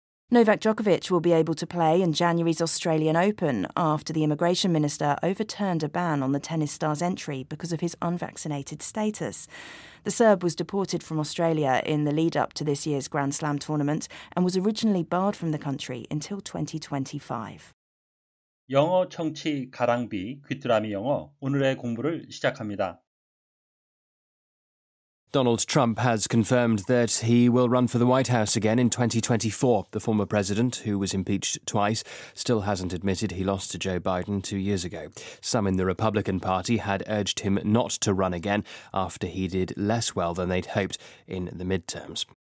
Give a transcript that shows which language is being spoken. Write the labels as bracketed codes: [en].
[en] Novak Djokovic will be able to play in January's Australian Open after the immigration minister overturned a ban on the tennis star's entry because of his unvaccinated status. The Serb was deported from Australia in the lead-up to this year's Grand Slam tournament and was originally barred from the country until 2025. [ko] 영어 청취 가랑비 귀뚜라미 영어 오늘의 공부를 시작합니다. [en] Donald Trump has confirmed that he will run for the White House again in 2024. The former president, who was impeached twice, still hasn't admitted he lost to Joe Biden 2 years ago. Some in the Republican Party had urged him not to run again after he did less well than they'd hoped in the midterms.